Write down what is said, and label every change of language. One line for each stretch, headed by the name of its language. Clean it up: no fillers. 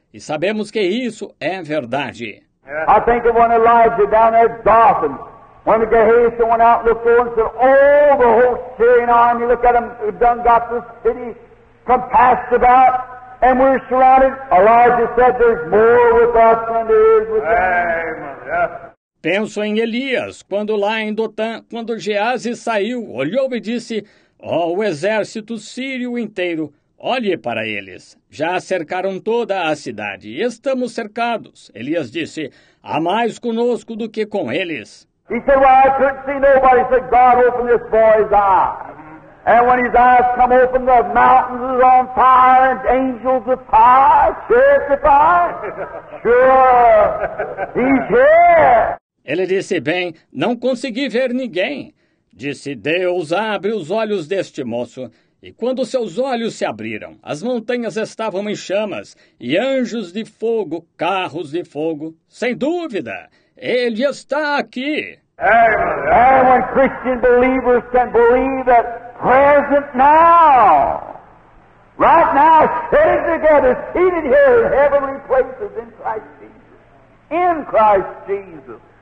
Portuguese: E sabemos que isso é verdade.
English: I think of when Elijah down at Dothan, when the Gehazi went out and looked over and said, oh, the whole Syrian army, look at them, they've done got this city compassed about. And we're surrounded. Elijah said there's more with us than there is with them.
Portuguese: Penso em Elias, quando lá em Dotã, quando Geazi saiu, olhou e disse, ó, o exército sírio inteiro, olhe para eles. Já cercaram toda a cidade, estamos cercados. Elias disse, há mais conosco do que com eles.
English: He said, well, I couldn't see nobody. He said, God opened this boy's eye. And when his eyes come open, the mountains is on fire and angels of fire, chariots of fire. Sure, he's here.
Portuguese: Ele disse, bem, não consegui ver ninguém. Disse, Deus, abre os olhos deste moço. E quando seus olhos se abriram, as montanhas estavam em chamas, e anjos de fogo, carros de fogo. Sem dúvida, ele está aqui.
English: And when Christian believers can believe that present now, right now, sitting together, seated here in heavenly places in Christ Jesus, in Christ Jesus.